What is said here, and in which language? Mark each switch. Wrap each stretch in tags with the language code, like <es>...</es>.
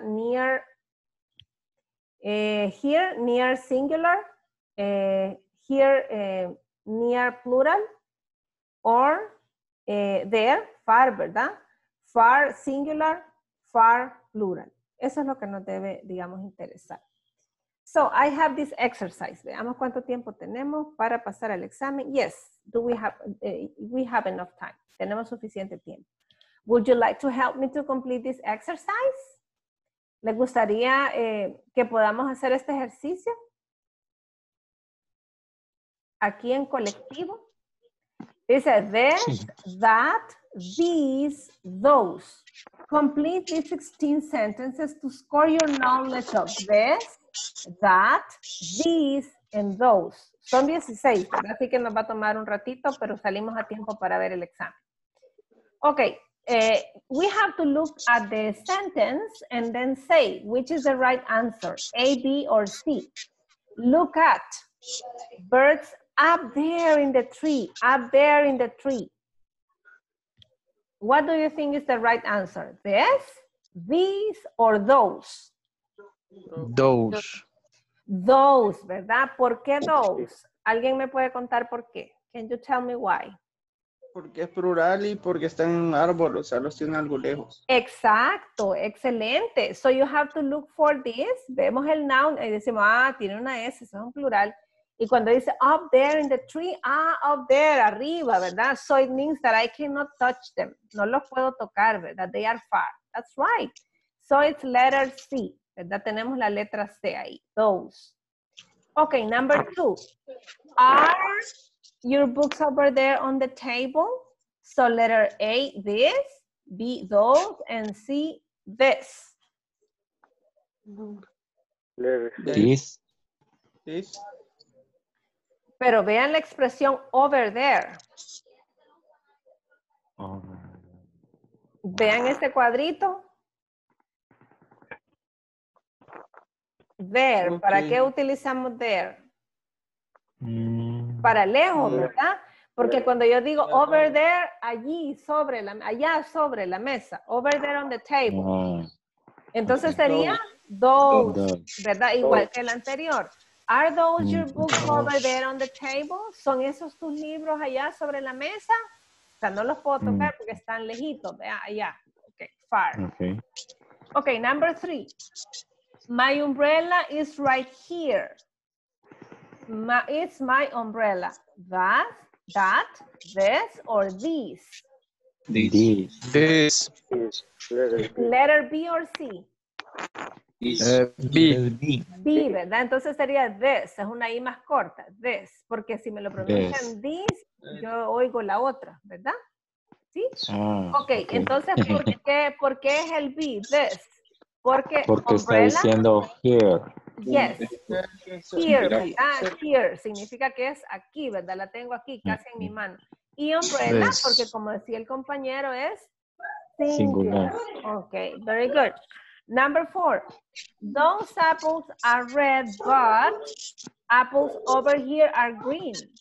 <en>Near, here, near singular, here, near plural, or there, far, ¿verdad? Far singular, far plural.</en> <es>Eso es lo que nos debe, digamos, interesar.</es> <en>So, I have this exercise.</en> <es>Veamos cuánto tiempo tenemos para pasar al examen.</es> <en>Yes, do we have enough time.</en> <es>Tenemos suficiente tiempo.</es> <en>Would you like to help me to complete this exercise?</en> <es>¿Le gustaría que podamos hacer este ejercicio? Aquí en colectivo. Dice, this, that, these, those.</es> <en>Complete these 16 sentences to score your knowledge of this, that, these, and those.</en> <es>Son 16, ¿verdad? Así que nos va a tomar un ratito, pero salimos a tiempo para ver el examen. Ok.</es> <en>We have to look at the sentence and then say which is the right answer, A, B, or C. Look at birds up there in the tree, up there in the tree. What do you think is the right answer? This, these, or those? Those.</en> <es>Those, ¿verdad? ¿Por qué those? ¿Alguien me puede contar por qué?</es> <en>Can you tell me why?</en> <es>Porque es plural y porque está en un árbol, o sea, los tiene algo lejos. Exacto, excelente.</es> <en>So you have to look for this.</en> <es>Vemos el noun y decimos, ah, tiene una S, es un plural. Y cuando dice</es> <en>up there in the tree,</en> <es>ah, up there, arriba, ¿verdad?</es> <en>So it means that I cannot touch them.</en> <es>No los puedo tocar, ¿verdad?</es> <en>They are far. That's right. So it's letter C, ¿verdad?</en> <es>Tenemos la letra C ahí, those. Ok, number two.</es> <en>Your books over there on the table. So letter A, this, B, those, and C, this. This. This.</en> <es>Pero vean la expresión over there. Vean este cuadrito. There. Okay. ¿Para qué utilizamos there? Para lejos, ¿verdad? Porque cuando yo digo over there, allí, sobre la, allá sobre la mesa,</es> <en>over there on the table.</en> <es>Entonces sería those, ¿verdad? Igual que el anterior.</es> <en>Are those your books over there on the table?</en> <es>¿Son esos tus libros allá sobre la mesa? O sea, no los puedo tocar porque están lejitos, ¿verdad? Allá.</es> <en>Okay, far. Okay. Ok, number three. My umbrella is right here. It's my umbrella. That, this, or these? This. Letter B or C? B.</en> <es>B, ¿verdad? Entonces sería this. Es una I más corta. This. Porque si me lo pronuncian this, yo oigo la otra, ¿verdad? ¿Sí? Okay. Entonces, ¿por qué es el B? This. Porque umbrella, está diciendo here.</es> <en>Yes, here, ah, here,</en> <es>significa que es aquí, ¿verdad? La tengo aquí, casi en mi mano. Y umbrella, porque como decía el compañero, es</es> <en>Singular. Okay, very good. Number four. Those apples are red, but apples over here are green.</en>